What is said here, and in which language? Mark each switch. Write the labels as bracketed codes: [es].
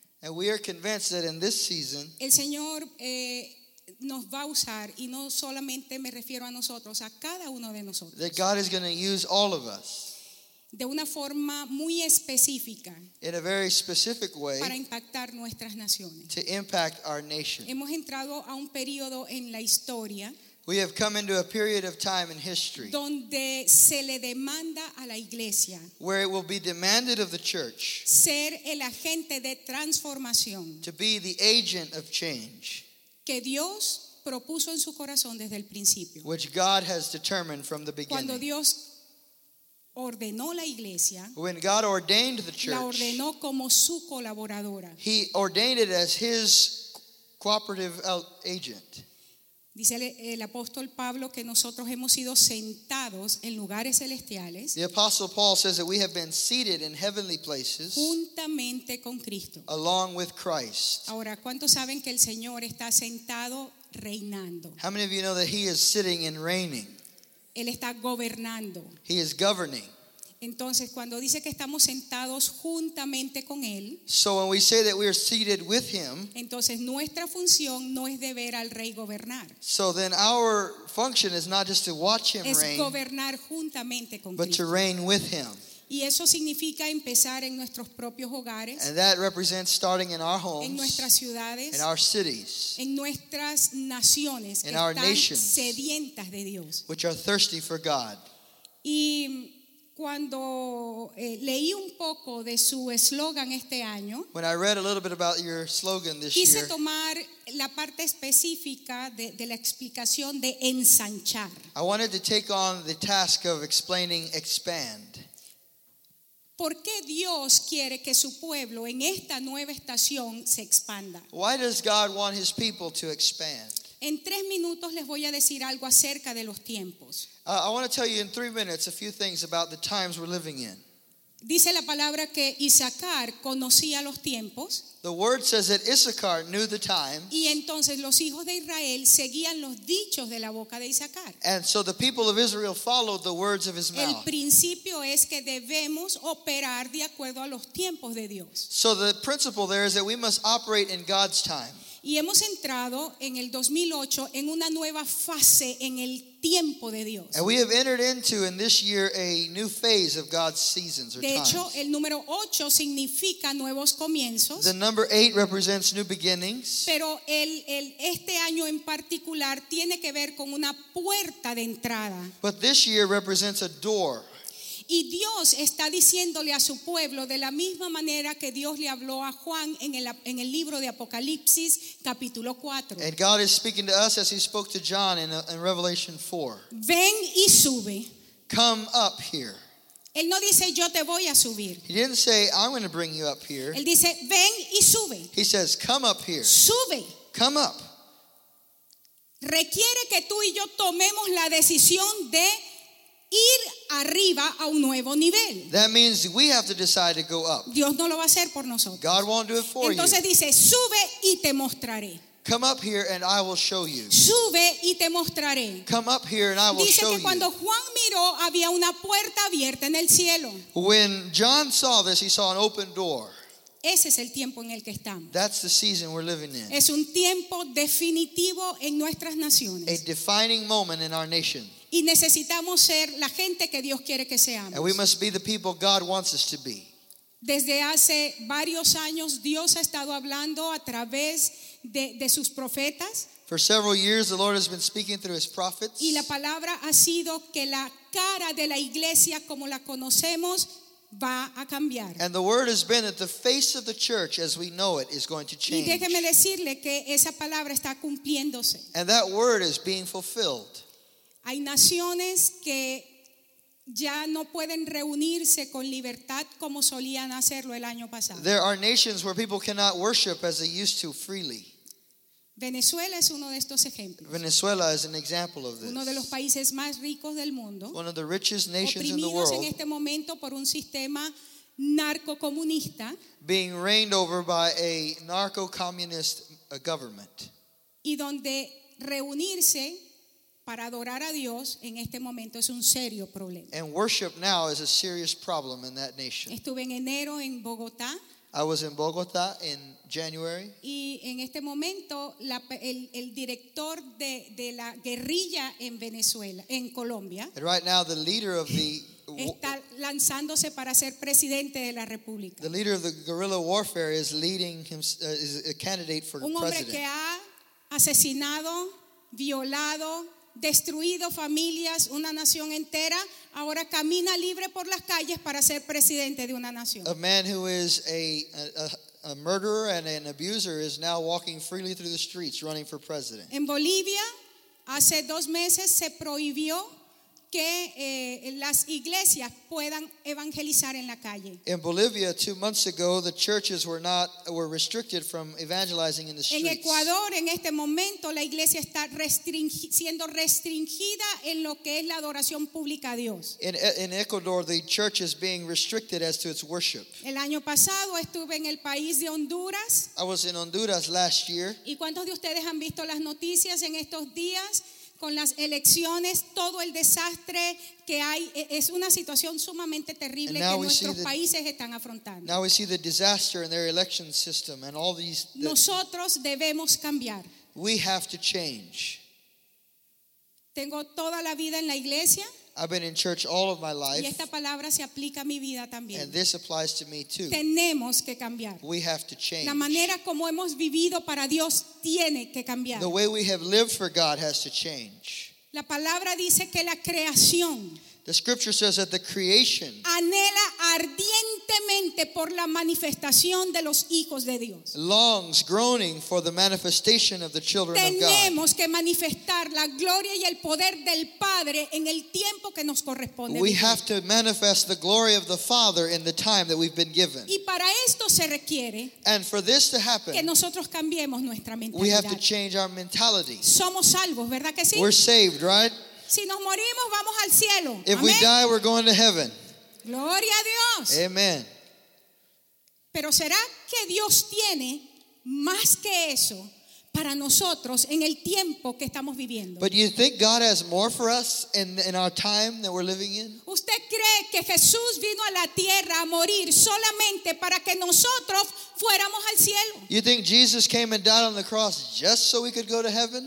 [en] and we are convinced that in this season, [es] el Señor nos va a usar, y no solamente me refiero a nosotros, a cada uno de nosotros. [en] That God is going to use all of us. [es] De una forma muy específica. [en] In a very specific way. [es] Para impactar nuestras naciones. [en] To impact our nation. [es] Hemos entrado a un periodo en la historia. [en] We have come into a period of time in history. [es] Donde se le demanda a la iglesia. [en] Where it will be demanded of the church. [es] Ser el agente de transformación. [en] To be the agent of change. [es] Que Dios propuso en su corazón desde el principio. [en] Which God has determined from the beginning. [es] Cuando Dios ordenó la iglesia, [en] when God ordained the church, [es] la ordenó como su colaboradora. [en] He ordained it as his cooperative agent. [es] Dice el apóstol Pablo que nosotros hemos sido sentados en lugares celestiales. [en] The apostle Paul says that we have been seated in heavenly places. [es] Juntamente con Cristo. [en] Along with Christ. [es] Ahora, ¿cuántos saben que el Señor está sentado reinando? [en] How many of you know that he is sitting and reigning? [es] Él está gobernando. [en] He is governing. [es] Entonces, cuando dice que estamos sentados juntamente con él, [en] so when we say that we are seated with him, [es] entonces nuestra función no es de ver al rey gobernar. [en] So then our function is not just to watch him [es] es [en] reign, [es] gobernar juntamente con [en] but [es] Cristo. [en] To reign with him. [es] Y eso significa empezar en nuestros propios hogares, [en] and that represents starting in our homes, [es] en nuestras ciudades, [en] in our cities, [es] en nuestras naciones, [en] in our nations, [es] que están sedientas de Dios, [en] which are thirsty for God. [es] Y cuando leí un poco de su eslogan este año, [en] when I read a little bit about your slogan this [es] quise [en] year, [es] tomar la parte específica de la explicación de ensanchar. [en] I wanted to take on the task of explaining expand. [es] ¿Por qué Dios quiere que su pueblo en esta nueva estación se expanda? [en] Why does God want his people to expand? [es] En tres minutos les voy a decir algo acerca de los tiempos. [en] I want to tell you in 3 minutes a few things about the times we're living in. [es] Dice la palabra que Issachar conocía los tiempos. [en] The word says that Issachar knew the times. [es] Y entonces los hijos de Israel seguían los dichos de la boca de Issachar. [en] And so the people of Israel followed the words of his mouth. [es] El principio es que debemos operar de acuerdo a los tiempos de Dios. [en] So the principle there is that we must operate in God's time. [es] Y hemos entrado en el 2008 en una nueva fase en el tiempo de Dios. [en] And we have entered into in this year a new phase of God's seasons or times. [es] De hecho, el número 8 significa nuevos comienzos. [en] The number 8 represents new beginnings. [es] Pero este año en particular tiene que ver con una puerta de entrada. [en] But this year represents a door. [es] Y Dios está diciéndole a su pueblo de la misma manera que Dios le habló a Juan en el libro de Apocalipsis, capítulo 4. [en] And God is speaking to us as he spoke to John in Revelation 4. [es] Ven y sube. [en] Come up here. [es] Él no dice, yo te voy a subir. [en] He didn't say, I'm going to bring you up here. [es] Él dice, ven y sube. [en] He says, come up here. [es] Sube. [en] Come up. [es] Requiere que tú y yo tomemos la decisión de ir arriba a un nuevo nivel. [en] That means we have to decide to go up. [es] Dios no lo va a hacer por nosotros. [en] God won't do it for you. [es] Entonces dice, sube y te mostraré. [en] Come up here and I will show you. [es] Sube y te mostraré. [en] Come up here and I will show you. [es] Dice que cuando Juan miró había una puerta abierta en el cielo. [en] When John saw this, he saw an open door. [es] Ese es el tiempo en el que estamos. [en] That's the season we're living in. [es] Es un tiempo definitivo en nuestras naciones. [en] A defining moment in our nation. [es] Y necesitamos ser la gente que Dios quiere que seamos. [en] And we must be the people God wants us to be. [es] Desde hace varios años Dios ha estado hablando a través de sus profetas. [en] For several years the Lord has been speaking through his prophets. [es] Y la palabra ha sido que la cara de la iglesia como la conocemos va a cambiar. [en] And the word has been that the face of the church as we know it is going to change. [es] Y déjeme decirle que esa palabra está cumpliéndose. [en] And that word is being fulfilled. [es] Hay naciones que ya no pueden reunirse con libertad como solían hacerlo el año pasado. [en] There are nations where people cannot worship as they used to freely. [es] Venezuela es uno de estos ejemplos. [en] Venezuela is an example of this. [es] Uno de los países más ricos del mundo. [en] One of the richest nations in the world. [es] Oprimidos en este momento por un sistema narco-comunista. [en] Being reigned over by a narco-communist government. [es] Y donde reunirse para adorar a Dios en este momento es un serio problema. [en] And worship now is a serious problem in that nation. [es] Estuve en enero en Bogotá. [en] I was in Bogotá in January. [es] Y en este momento el director de la guerrilla en Venezuela, en Colombia. [en] And right now the leader of the [es] está lanzándose para ser presidente de la República. [en] The leader of the guerrilla warfare is leading him, is a candidate for president. [es] Un hombre que ha asesinado, violado, destruido familias, una nación entera, ahora camina libre por las calles para ser presidente de una nación. [en] A man who is a murderer and an abuser is now walking freely through the streets running for president. [es] En Bolivia, hace dos meses se prohibió que las iglesias puedan evangelizar en la calle. [en] In Bolivia, 2 months ago, the churches were restricted from evangelizing in the streets. [es] En Ecuador, en este momento, la iglesia está siendo restringida en lo que es la adoración pública a Dios. [en] In Ecuador, the church is being restricted as to its worship. [es] El año pasado estuve en el país de Honduras. [en] I was in Honduras last year. [es] ¿Y cuántos de ustedes han visto las noticias en estos días? Con las elecciones, todo el desastre que hay, es una situación sumamente terrible que nuestros países están afrontando. [en] Now we see the disaster in their election system and all these. [es] Nosotros debemos cambiar. [en] We have to change. [es] Tengo toda la vida en la iglesia. [en] I've been in church all of my life. [es] Y esta palabra se aplica a mi vida también. [en] And this applies to me too. [es] Tenemos que cambiar. [en] We have to change. [es] La manera como hemos vivido para Dios tiene que cambiar. [en] The way we have lived for God has to change. [es] La palabra dice que la creación. [en] The scripture says that the creation [es] anhela ardientemente por la manifestación de los hijos de Dios. [en] Longs, groaning for the manifestation of the children [es] tenemos [en] of God. [es] Tenemos que manifestar la gloria y el poder del Padre en el tiempo que nos corresponde. [en] We have to manifest the glory of the Father in the time that we've been given. [es] Y para esto se requiere [en] and for this to happen, [es] que nosotros cambiemos nuestra mentalidad. [en] We have to change our mentality. [es] Somos salvos, ¿verdad que sí? [en] We're saved, right? [es] Si nos morimos, vamos al cielo. [en] If we die, we're going to heaven. [es] Gloria a Dios. [en] Amen. [es] Pero será que Dios tiene más que eso para nosotros en el tiempo que estamos viviendo? [en] But you think God has more for us in our time that we're living in? [es] ¿Usted cree que Jesús vino a la tierra a morir solamente para que nosotros fuéramos al cielo? [en] You think Jesus came and died on the cross just so we could go to heaven?